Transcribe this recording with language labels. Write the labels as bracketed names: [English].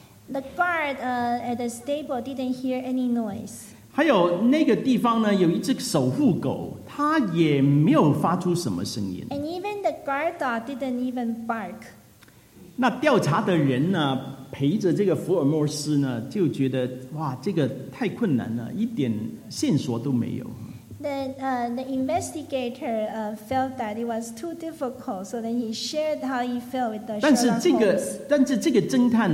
[English] The guard at the stable didn't hear any noise. [Chinese] 还有那个地方呢, 有一只守护狗, 他也没有发出什么声音。 [English] And even the guard dog didn't even bark. [Chinese] 那调查的人呢, 陪着这个福尔摩斯呢, 就觉得, 哇, 这个太困难了, 一点线索都没有。 [English] The investigator felt that it was too difficult, so then he shared how he felt with the Sherlock Holmes.